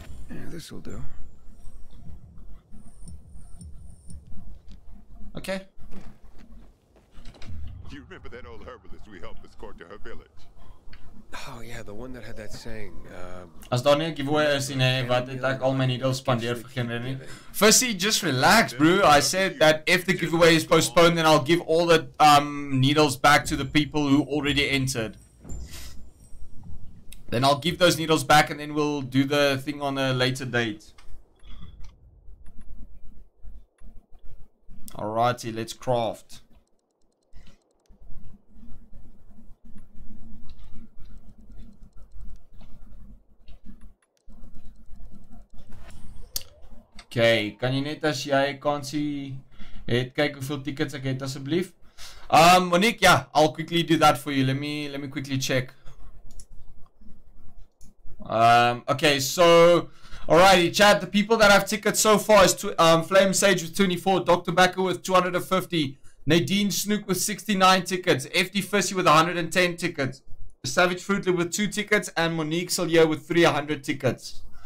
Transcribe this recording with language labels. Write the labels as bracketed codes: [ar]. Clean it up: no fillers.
[en] Yeah, this will do. Okay. Do you remember that old herbalist we helped escort to her village? Oh yeah, the one that had that saying, [af] as daar nie 'n giveaway is nie, hey, wat het ek al my needles spandeer vir geen rede nie. [en] Firstly, just relax, bro. I said that if the giveaway is postponed, then I'll give all the needles back to the people who already entered. Then I'll give those needles back and then we'll do the thing on a later date. Alrighty, let's craft. [af] Okay, kan jy net as jy kan sien het kyk hoeveel tickets ek het asseblief. [en] Monique, yeah, I'll quickly do that for you. Let me quickly check. Okay, so alrighty, chat, the people that have tickets so far is Flame Sage with 24, Dr. Backer with 250, Nadine Snook with 69 tickets, FD Fissy with 110 tickets, Savage Fruitly with 2 tickets, and Monique Solier with 300 tickets.